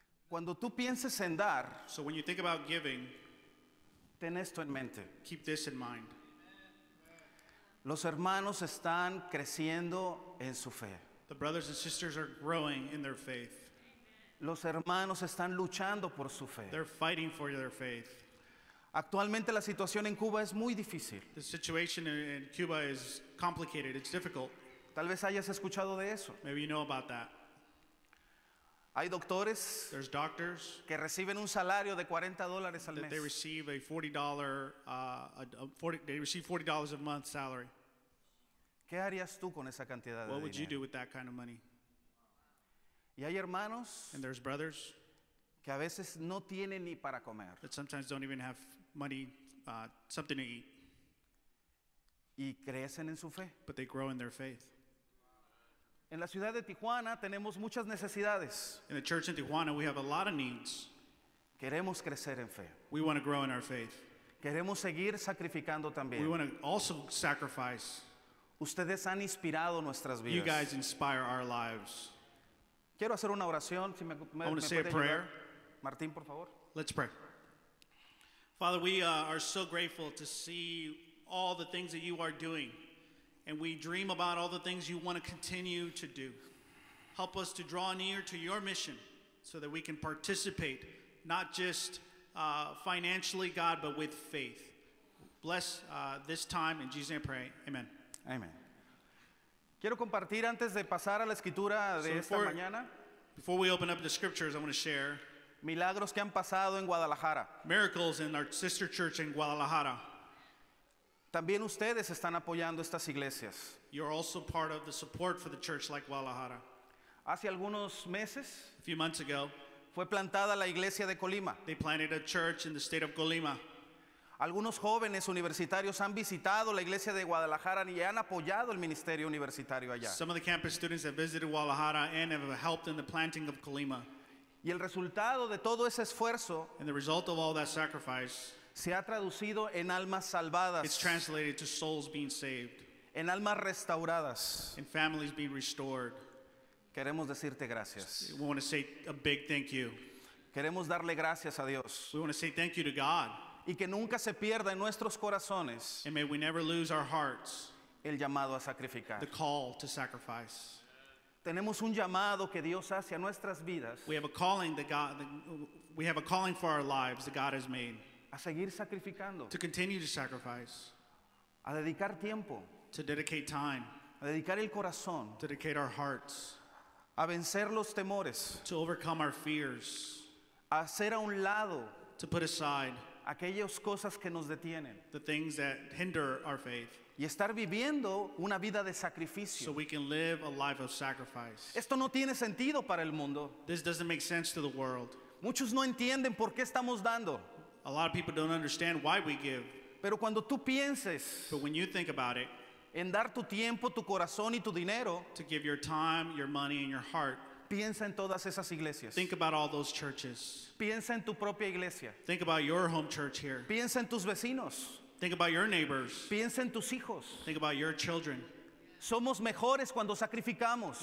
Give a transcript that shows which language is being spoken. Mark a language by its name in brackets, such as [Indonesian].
[Spanish] Cuando tú pienses en dar, [English] so when you think about giving, [Spanish] ten esto en mente. [English] Keep this in mind. [Spanish] Los hermanos están creciendo en su fe. [English] The brothers and sisters are growing in their faith. [Spanish] Los hermanos están luchando por su fe. [English] They're fighting for their faith. [Spanish] Actualmente la situación en Cuba es muy difícil. [English] The situation in Cuba is complicated. It's difficult. [Spanish] Tal vez hayas escuchado de eso. [English] Maybe you know about that. [Spanish] Hay doctores. [English] There's doctors. [Spanish] Que reciben un salario de $40 al mes. [English] They receive a $40 a month salary. [Spanish] ¿Qué harías tú con esa cantidad de dinero? [English] What would you do with that kind of money? [Spanish] Y hay hermanos. [English] And there's brothers. [Spanish] Que a veces no tienen ni para comer. [English] That sometimes don't even have money, something to eat. [Spanish] Y crecen en su fe. [English] But they grow in their faith. [Spanish] En la ciudad de Tijuana tenemos muchas necesidades. [English] In the church in Tijuana we have a lot of needs. [Spanish] Queremos crecer en fe. [English] We want to grow in our faith. [Spanish] Queremos seguir sacrificando también. [English] We want to also sacrifice. [Spanish] Ustedes han inspirado nuestras vidas. [English] You guys inspire our lives. [Spanish] Quiero hacer una oración. Si me, [English] I want me to say a prayer. [Spanish] Martín, por favor. [English] Let's pray. Father, we are so grateful to see all the things that you are doing. And we dream about all the things you want to continue to do. Help us to draw near to your mission so that we can participate, not just financially, God, but with faith. Bless this time. In Jesus' name I pray. Amen. Amen. [Spanish] Quiero compartir antes de pasar a la escritura de esta mañana. [English] Before we open up the scriptures, I want to share [Spanish] milagros que han pasado en Guadalajara. [English] Miracles in our sister church in Guadalajara. [Spanish] También ustedes están apoyando estas iglesias. [English] You're also part of the support for the church like Guadalajara. [Spanish] Hace algunos meses, [English] a few months ago, [Spanish] fue plantada la iglesia de Colima. [English] They planted a church in the state of Colima. [Spanish] Algunos jóvenes universitarios han visitado la iglesia de Guadalajara y han apoyado el ministerio universitario allá. [English] Some of the campus students have visited Guadalajara and have helped in the planting of Colima. [Spanish] Y el resultado de todo ese esfuerzo, [English] and the result of all that sacrifice, [Spanish] se ha traducido en almas salvadas. [English] It's translated to souls being saved. [Spanish] En almas restauradas. [English] In families being restored. [Spanish] Queremos decirte gracias. [English] We want to say a big thank you. [Spanish] Queremos darle gracias a Dios. [English] We want to say thank you to God. [Spanish] Y que nunca se pierda en nuestros corazones. [English] And may we never lose our hearts. [Spanish] El llamado a sacrificar. [English] The call to sacrifice. [Spanish] Tenemos un llamado que Dios hace a nuestras vidas. [English] We have a calling that God, we have a calling for our lives that God has made. [Spanish] A seguir sacrificando. [English] To continue to sacrifice. [Spanish] A dedicar tiempo. [English] To dedicate time. [Spanish] A dedicar el corazón. [English] To dedicate our hearts. [Spanish] A vencer los temores. [English] To overcome our fears. [Spanish] A hacer a un lado. [English] To put aside. [Spanish] aquellas cosas que nos detienen, [English] the things that hinder our faith, [Spanish] y estar viviendo una vida de sacrificio. [English] So we can live a life of sacrifice. [Spanish] Esto no tiene sentido para el mundo. [English] This doesn't make sense to the world. [Spanish] Muchos no entienden por qué estamos dando. [English] A lot of people don't understand why we give. [Spanish] Pero cuando tú pienses, [English] but when you think about it, [Spanish] en dar tu tiempo, tu corazón y tu dinero, [English] to give your time, your money, and your heart, [Spanish] piensa en todas esas iglesias. [English] Think about all those churches. [Spanish] Piensa en tu propia iglesia. [English] Think about your home church here. [Spanish] Piensa en tus vecinos. [English] Think about your neighbors. [Spanish] Piensa en tus hijos. [English] Think about your children. [Spanish] Somos mejores cuando sacrificamos.